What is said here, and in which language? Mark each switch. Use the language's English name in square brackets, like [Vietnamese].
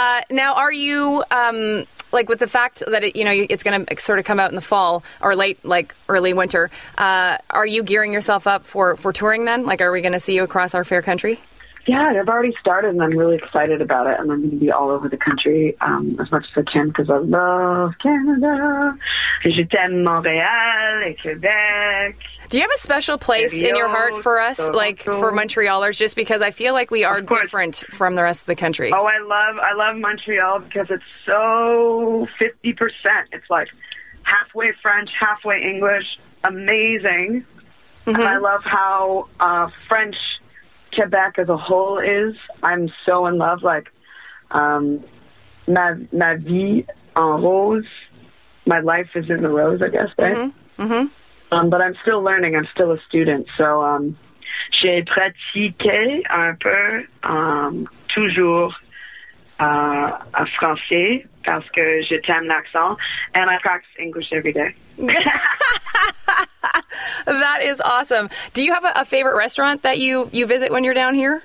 [English] Now, are you, like, with the fact that, it, you know, it's going to sort of come out in the fall or late, like, early winter, are you gearing yourself up for touring then? Like, are we going to see you across our fair country? Yeah, I've already started, and I'm really excited about it. And I'm going to be all over the country as much as I can, because I love Canada. [French] Je t'aime Montréal et Québec. [English] Do you have a special place in your heart for us, like for Montrealers, just because I feel like we are different from the rest of the country? Oh, I love Montreal because it's so 50%. It's like halfway French, halfway English. Amazing. Mm-hmm. And I love how French Quebec as a whole is. I'm so in love. Like, [French] ma vie en rose. [English] My life is in the rose, I guess, right? Mm-hmm. Mm-hmm. But I'm still learning. I'm still a student. [French] So, j'ai pratiqué un peu toujours à français parce que je t'aime l'accent. [English] And I practice English every day. That is awesome. Do you have a favorite restaurant that you visit when you're down here?